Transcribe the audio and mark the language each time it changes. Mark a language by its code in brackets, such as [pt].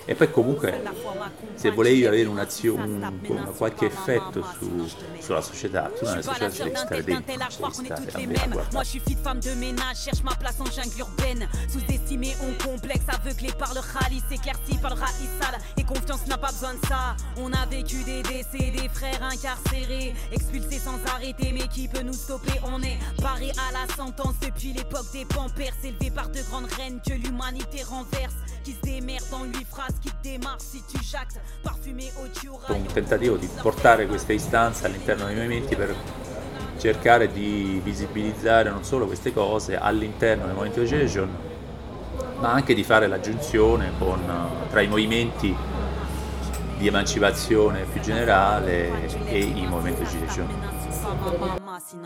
[it] E poi comunque, se volevi avere qualche effetto sulla società, tu nella società ci devi stare dentro, ci devi stare a guardare. [fr] Confiance n'a pas besoin de ça. On a vécu des décès, des frères incarcérés, expulsés sans arrêter, mais qui peut nous stopper? On est barré à la sentence depuis l'époque des pampères, élevés par de grandes reines que l'humanité renverse, qui se démerde en 8 phrases, qui démarre si tu jactes, parfumé au tuyau. [it] Un tentativo di portare queste istanze all'interno dei movimenti per cercare di visibilizzare non solo queste cose all'interno del movimento Gilets Jaunes, ma anche di fare la giunzione tra i movimenti di emancipazione più generale e i movimenti di Gilets Jaunes.